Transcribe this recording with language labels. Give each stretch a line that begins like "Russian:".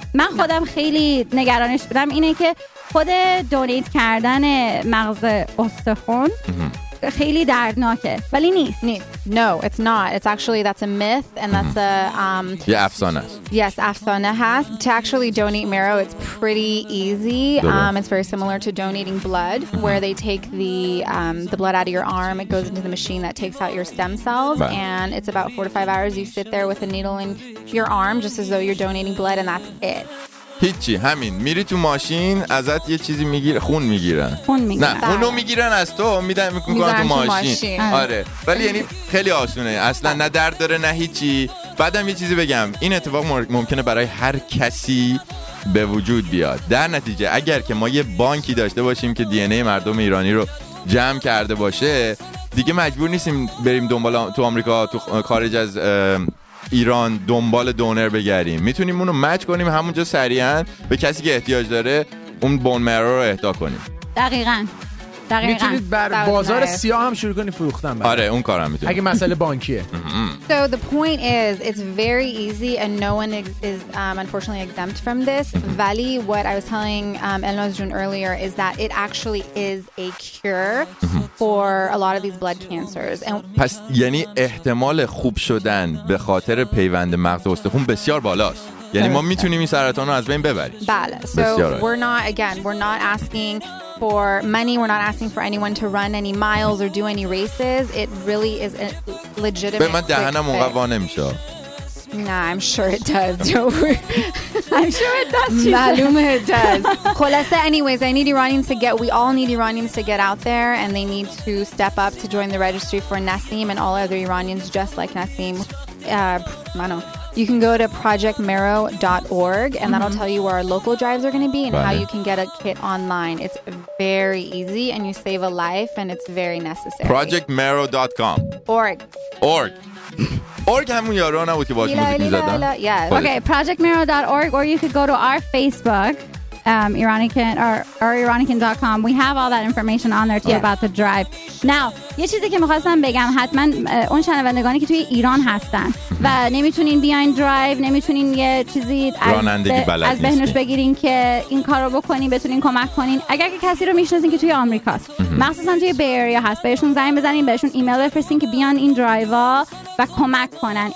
Persian: من خودم خیلی نگرانش بودم اینه که خود دونیت کردن مغز استخون خیلی دردناکه، ولی نیست.
English: No, it's not. It's actually, that's a myth and that's a...
Persian: یه افسانه است.
English: Yes,
Persian: افسانه هست.
English: To actually donate marrow, it's pretty easy. It's very similar to donating blood, where they take the blood out of your arm. It goes into the machine that takes out your stem cells. Right. And it's about 4 to 5 hours. You sit there with a needle in your arm, just as though you're donating blood, and that's it.
Persian: هیچی، همین. میری تو ماشین، ازت یه چیزی میگیر، خون میگیرن. خون میگیرن. نه، خونو میگیرن از تو، میدن میکنن تو ماشین. آره. ولی یعنی خیلی آسونه. اصلا نه درد داره نه هیچی. بعدم یه چیزی بگم، این اتفاق ممکنه برای هر کسی به وجود بیاد. در نتیجه اگر که ما یه بانکی داشته باشیم که دی ان ای مردم ایرانی رو جمع کرده باشه، دیگه مجبور نیستیم بریم دنبال تو آمریکا، تو خارج از ایران دنبال دونر بگردیم. میتونیم اونو مچ کنیم همونجا سریعا به کسی که احتیاج داره اون بون مرو رو اهدا کنیم. دقیقاً. میتونید بر بازار سیاه هم شروع کنید فروختن. آره اون کارم میتونید. اگه مسئله بانکیه.
English: So the point is it's very easy and no one is unfortunately exempt from this. Vali, what I was telling Elnaz June earlier is that it actually is a cure for a lot of these blood cancers. And
Persian: پس یعنی احتمال خوب شدن به خاطر پیوند مغز و استخون بسیار بالاست. یعنی ما میتونیم این سرطان رو از بین ببریم. بله.
English: So we're not, again, we're not asking for money. We're not asking for anyone to run any miles or do any races. It really is a legitimate.
Persian: به من دهنم اون قوا نمیشه.
English: Nah, I'm sure it does. Don't worry. I'm sure it does.
Persian: معلومه
English: it does. خلاصه anyways, I need Iranians to get, we all need Iranians to get out there and they need to step up to join the registry for Nassim and all other Iranians just like Nassim. Mano. You can go to projectmarrow.org and that'll tell you where our local drives are going to be and how you can get a kit online. It's very easy and you save a life and it's very necessary. projectmarrow.com org
Persian: org همون یارو نبود که باش موزیک میزدن.
English: Yes. Okay, projectmarrow.org or you could go to our Facebook Iranican or Iranican.com. We have all that information on there too about the drive.
Persian: Now, یه چیزی که میخواستم بگم، حتما اون شنوندگانی که توی ایران هستن و نمیتونین بیاین درایو، نمیتونین یه چیزی از بهنوش بگیرین که این کارو بکنین، بتونین کمک کنین. اگر که کسی رو میشناسین که توی آمریکاست، مخصوصا توی بی ایریا هست، بهشون زنگ بزنین، بهشون ایمیل بفرستین که بیان این درایو و کمک کنن.